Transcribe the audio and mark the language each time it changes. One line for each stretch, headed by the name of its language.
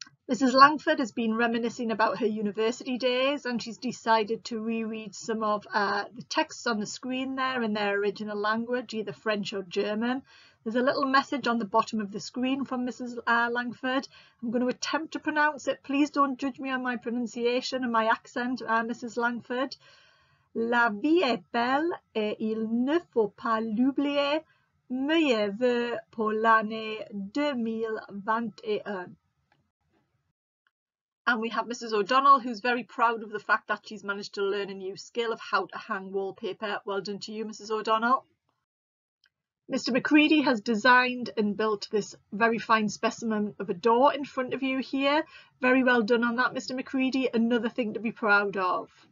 English: Mrs. Langford has been reminiscing about her university days, and she's decided to reread some of the texts on the screen there in their original language, either French or German. There's a little message on the bottom of the screen from Mrs. Langford. I'm going to attempt to pronounce it. Please don't judge me on my pronunciation and my accent, Mrs. Langford.
French: La vie est belle et il ne faut pas l'oublier. Meilleurs vœux pour l'année 2021.
English: And we have Mrs. O'Donnell, who's very proud of the fact that she's managed to learn a new skill of how to hang wallpaper. Well done to you, Mrs. O'Donnell. Mr. McCready has designed and built this very fine specimen of a door in front of you here. Very well done on that, Mr. McCready. Another thing to be proud of.